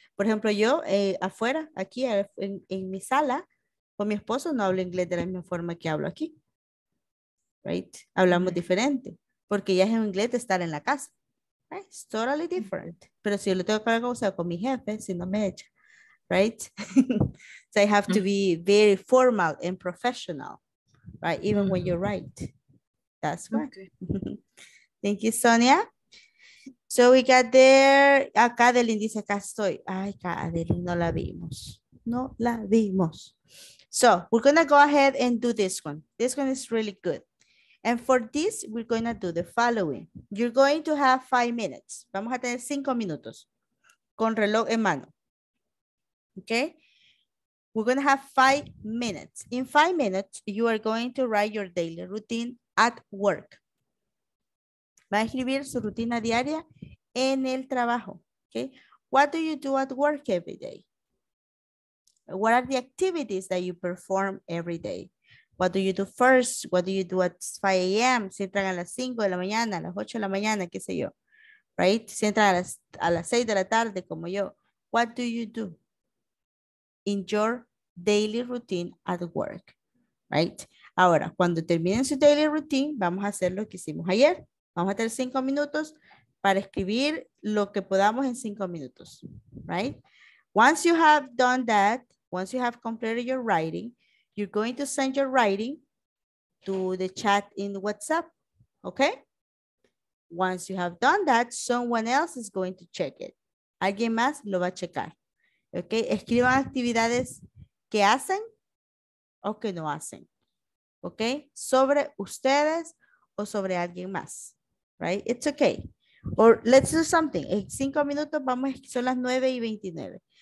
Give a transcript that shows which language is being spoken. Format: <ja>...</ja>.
<es>Por ejemplo, yo afuera, aquí en mi sala, con mi esposo no hablo inglés de la misma forma que hablo aquí.</es> <en>right?</en> <es>Hablamos diferente, porque ya es en inglés de estar en la casa,</es> <en>right? It's totally different.</en> <es>Pero si yo lo tengo que hablar, o sea, con mi jefe, si no me echa,</es> <en>right? So I have to be very formal and professional, right? Even when you're right. That's why. Okay. Thank you, Sonia. So we got there.</en> <es>Acá Adeline dice, acá estoy. Ay, acá Adeline, no la vimos. No la vimos.</es> <en>So we're going to go ahead and do this one. This one is really good. And for this, we're going to do the following. You're going to have 5 minutes.</en> <es>Vamos a tener 5 minutos con reloj en mano.</es> <en>Okay? We're going to have 5 minutes. In 5 minutes, you are going to write your daily routine at work.</en> <es>Va a escribir su rutina diaria en el trabajo.</es> <en>Okay? What do you do at work every day? What are the activities that you perform every day? What do you do first? What do you do at 5 a.m.?</en> <es>Si entran a las 5 de la mañana, a las 8 de la mañana, qué sé yo.</es> <en>Right?</en> <es>Si entran a las 6 de la tarde, como yo.</es> <en>What do you do in your daily routine at work? Right?</en> <es>Ahora, cuando terminen su</es> <en>daily routine,</en> <es>vamos a hacer lo que hicimos ayer. Vamos a tener 5 minutos para escribir lo que podamos en 5 minutos.</es> <en>Right? Once you have done that, once you have completed your writing, you're going to send your writing to the chat in WhatsApp, okay? Once you have done that, someone else is going to check it.</en> <es>Alguien más lo va a checar, okay? Escriban actividades que hacen o que no hacen, okay? Sobre ustedes o sobre alguien más,</es> <en>right? It's okay. Or let's do something.</en> <es>En 5 minutos vamos, son las 9:29.</es>